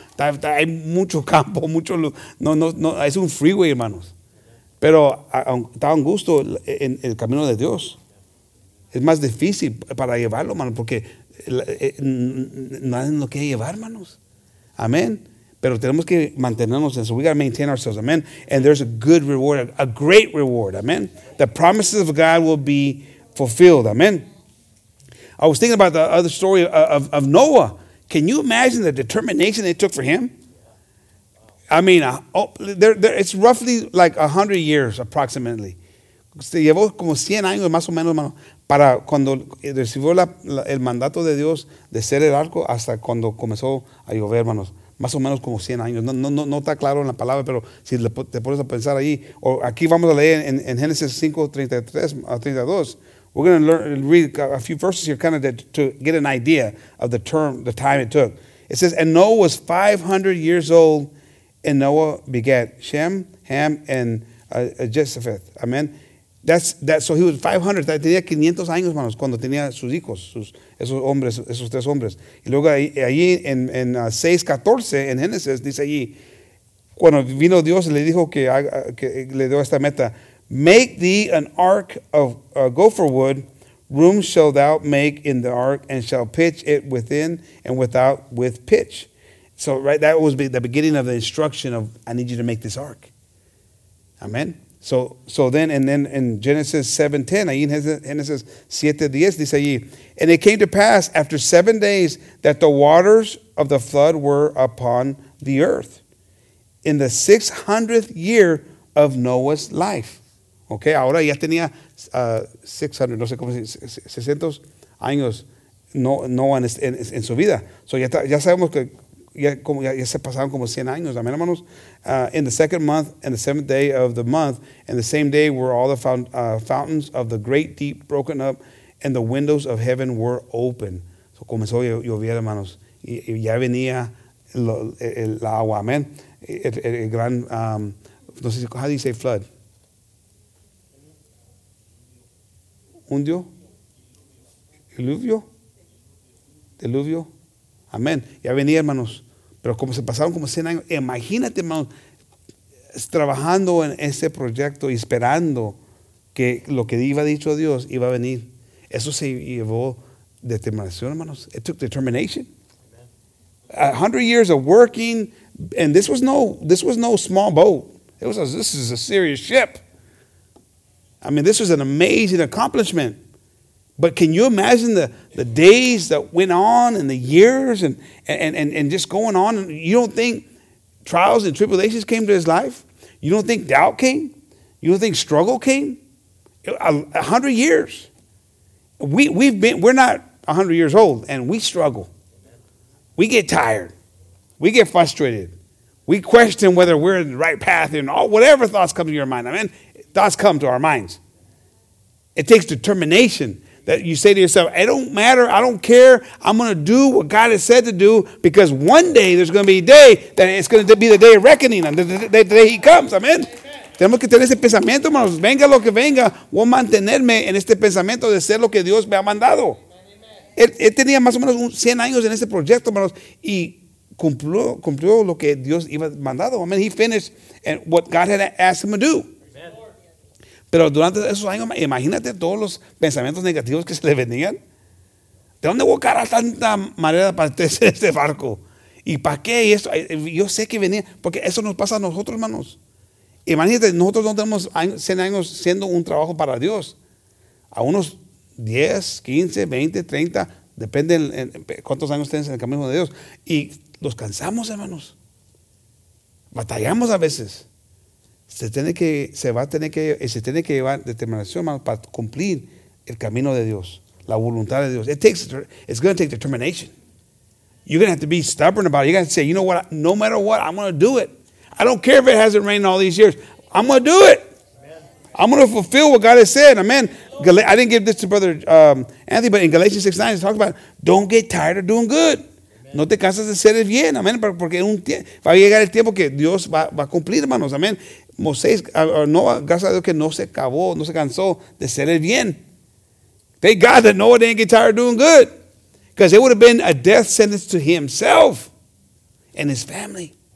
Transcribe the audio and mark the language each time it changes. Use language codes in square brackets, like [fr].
[es] Está hay mucho campo, mucho no es un freeway, hermanos. Pero está angosto en el camino de Dios. Es más difícil para llevarlo, hermano, porque nadie lo quiere llevar, hermanos. Amén. Pero tenemos que mantenernos en eso. [en] We got to maintain ourselves, amen. And there's a good reward, a great reward, amen. The promises of God will be fulfilled, amen. I was thinking about the other story of Noah. Can you imagine the determination it took for him? I mean, it's roughly like 100 years, approximately. [es] Se llevó como 100 años, más o menos, para cuando recibió el mandato de Dios de ser el arco hasta cuando comenzó a llover, hermanos. Más o menos como 100 años. No está claro en la palabra, pero si te pones a pensar ahí, o aquí vamos a leer en Génesis 5:33-32. [en] We're going to read a few verses here kind of to get an idea of the time it took. It says, and Noah was 500 years old, and Noah begat Shem, Ham, and Japheth. Amen. So he was 500. [es] Tenía 500 años, hermanos, cuando tenía sus hijos, esos hombres, esos tres hombres. Y luego ahí en 6:14, en Génesis, dice allí, cuando vino Dios y le dijo que le dio esta meta, [en] make thee an ark of gopher wood, room shalt thou make in the ark, and shall pitch it within and without with pitch. So right, that was the beginning of the instruction of, I need you to make this ark. Amen. So then in Genesis 7:10, [es] ahí en Génesis 7:10, dice allí, [en] and it came to pass after 7 days that the waters of the flood were upon the earth in the 600th year of Noah's life. [es] Okay, ahora ya tenía 600, no sé cómo se dice, 600 años Noah en su vida. So ya sabemos que ya se pasaron como 100 años, amén, hermanos. [en] In the second month and the seventh day of the month, and the same day were all the fountains of the great deep broken up, and the windows of heaven were open. [es] So comenzó a llover, hermanos, y ya venía el agua, amén. El gran, no sé, [en] how do you say flood? [es] ¿Hundio? ¿Diluvio? ¿Diluvio? Amén. Ya venía, hermanos. Pero como se pasaron como 100 años, imagínate, hermanos, trabajando en ese proyecto y esperando que lo que iba dicho Dios iba a venir. Eso se llevó determinación, hermanos. [en] It took determination. 100 years of working, and this was no small boat. This is a serious ship. I mean, this was an amazing accomplishment. But can you imagine the days that went on and the years and just going on? You don't think trials and tribulations came to his life? You don't think doubt came? You don't think struggle came? 100 years. We're not 100 years old, and we struggle. We get tired. We get frustrated. We question whether we're in the right path and all whatever thoughts come to your mind. I mean, thoughts come to our minds. It takes determination. That you say to yourself, it don't matter, I don't care, I'm going to do what God has said to do, because one day there's going to be a day that it's going to be the day of reckoning, and the day he comes, amen. [es] Tenemos que tener ese pensamiento, hermanos, venga lo que venga, voy a mantenerme en este pensamiento de ser lo que Dios me ha mandado. Él tenía más o menos 100 años en ese proyecto, hermanos, y cumplió lo que Dios iba mandado, amen. [en] He finished and what God had asked him to do. [es] Pero durante esos años, imagínate todos los pensamientos negativos que se le venían. ¿De dónde voy a cargar tanta madera para hacer este barco? ¿Y para qué? Y eso, yo sé que venía, porque eso nos pasa a nosotros, hermanos. Imagínate, nosotros no tenemos 100 años siendo un trabajo para Dios. A unos 10, 15, 20, 30, depende en cuántos años tienes en el camino de Dios. Y nos cansamos, hermanos. Batallamos a veces. Se tiene que llevar determinación, hermano, para cumplir el camino de Dios, la voluntad de Dios. [en] It's going to take determination. You're going to have to be stubborn about it. You're going to say, you know what, no matter what, I'm going to do it. I don't care if it hasn't rained all these years. I'm going to do it. Amen. I'm going to fulfill what God has said. Amen. I didn't give this to Brother Anthony, but in Galatians 6:9, it talks about don't get tired of doing good. [es] No te cansas de hacer el bien, amén, porque va a llegar el tiempo que Dios va a cumplir, hermanos, amén. Moisés, Noah, gracias a Dios que no se cansó de hacer el bien. [en] Thank God that Noah didn't get tired of doing good, because it would have been a death sentence to himself and his family.